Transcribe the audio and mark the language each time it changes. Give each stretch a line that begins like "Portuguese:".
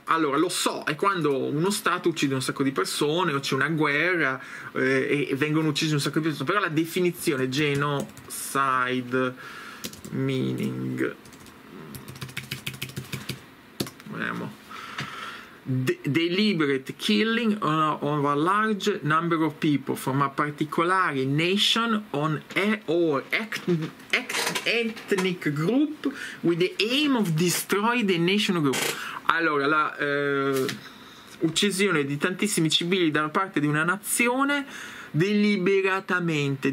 Italian: Allora, lo so, è quando uno Stato uccide un sacco di persone, o c'è una guerra, e vengono uccisi un sacco di persone. Però la definizione,
English: genocide, meaning...
Italian: Vediamo.
English: Deliberate killing of a large number of people from a particular nation on or ethnic group with the aim of destroying the national group.
Italian: Allora, la uccisione di tantissimi civili da parte di una nazione deliberatamente.